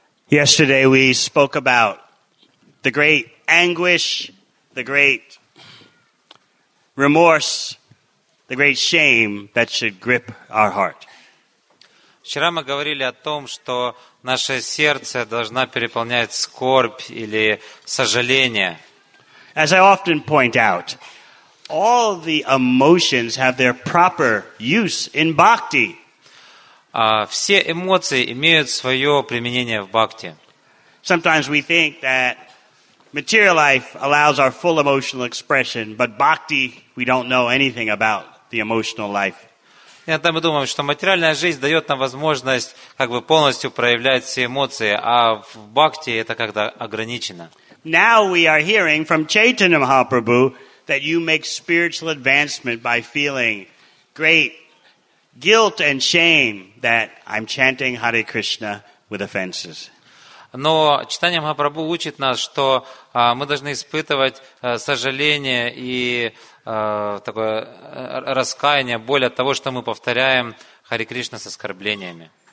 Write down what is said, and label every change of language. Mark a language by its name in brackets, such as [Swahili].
[English] Yesterday we spoke about the great anguish, the great remorse, the great shame that should grip our heart. [Russian] Вчера мы говорили о том, что наше сердце должна переполнять скорбь или сожаление. [English] As I often point out, all the emotions have their proper use in bhakti. [Russian] Все эмоции имеют свое применение в бхакти. [English] Sometimes we think that material life allows our full emotional expression, but bhakti, we don't know anything about the emotional life. [Russian] Иногда мы думаем, что материальная жизнь дает нам возможность как бы полностью проявлять все эмоции, а в бхакти это как-то ограничено. [English] Now we are hearing from Chaitanya Mahaprabhu that you make spiritual advancement by feeling great guilt and shame that I'm chanting Hare Krishna with offenses. [Russian] Но читание Махапрабху учит нас, что мы должны испытывать сожаление и такое раскаяние, боль от того, что мы повторяем Hare Krishna с оскорблениями.